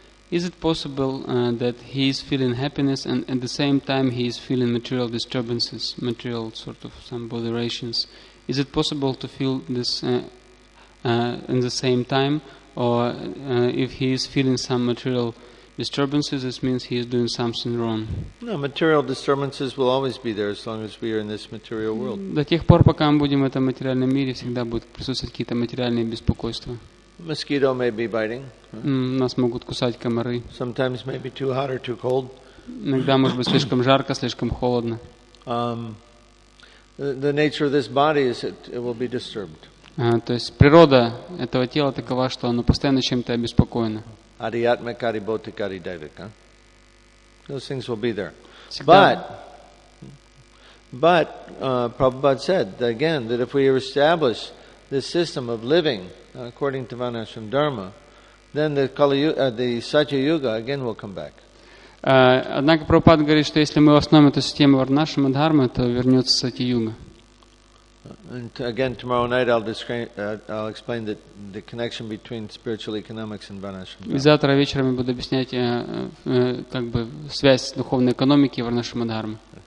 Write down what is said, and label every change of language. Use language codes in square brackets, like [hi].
[en] Is it possible that he is feeling happiness and at the same time he is feeling material disturbances, material sort of some botherations? Is it possible to feel this in the same time? Or if he is feeling some material disturbances, this means he is doing something wrong. No, material disturbances will always be there as long as we are in this material world. [ru] До тех пор, пока мы будем в этом материальном мире, всегда будут присутствовать какие-то материальные беспокойства. [en] Mosquito may be biting. [ru] Нас могут кусать комары. [en] Sometimes maybe too hot or too cold. [ru] Иногда может быть слишком жарко, слишком холодно. [en] The nature of this body is it will be disturbed. [ru] То есть природа этого тела такова, что оно постоянно чем-то обеспокоено. [sa] Ариатма кари боти кари дайвика. [en] Those things will be there. But Prabhupada said again that if we establish this system of living according to Vanashram Dharma, then the Kali Yuga, the Satya Yuga again will come back. [ru] Однако Прабхупада говорит, что если мы основим эту систему Варнашрама Дхармы, то вернется Сатья Юга. [en] And again, tomorrow night I'll explain the connection between spiritual economics and Varnashrama Dharma. [ru] Завтра вечером я буду объяснять как бы связь духовной экономики и Варнашрама Дхармы.